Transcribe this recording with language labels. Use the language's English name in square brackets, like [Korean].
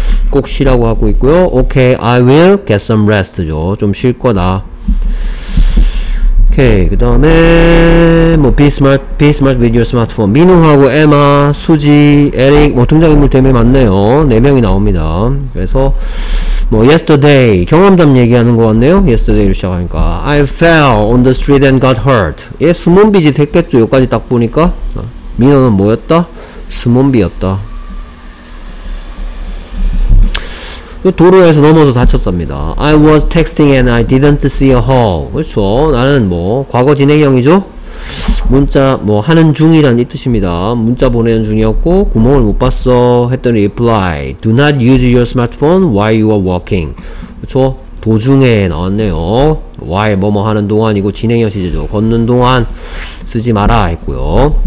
[Korean] 꼭 쉬라고 하고 있고요. [English] Okay, I will get some rest [Korean] 죠. 좀 쉴 거다. [English] Okay, [Korean] 그 다음에 뭐 [English] be smart with your smartphone. [Korean] 민우하고 에마, 수지, 에릭 뭐 등장인물 되게 많네요. 네 명이 나옵니다. 그래서 뭐 yesterday 경험담 얘기하는 것 같네요. [English] yesterday로 [Korean] 시작하니까 [English] I fell on the street and got hurt. [Korean] 예, 스몬비지 됐겠죠. 여기까지 딱 보니까 민호는 뭐였다? 스몬비였다. 도로에서 넘어서 다쳤답니다. [English] I was texting and I didn't see a hole. [Korean] 그렇죠. 나는 뭐 과거 진행형이죠. 문자 뭐 하는 중이란 이 뜻입니다. 문자 보내는 중이었고 구멍을 못 봤어 했더니 [English] reply do not use your smartphone while you are walking. [Korean] 그렇죠. 도중에 나왔네요. why 뭐뭐 하는 동안이고 진행형 시제죠. 걷는 동안 쓰지 마라 했고요.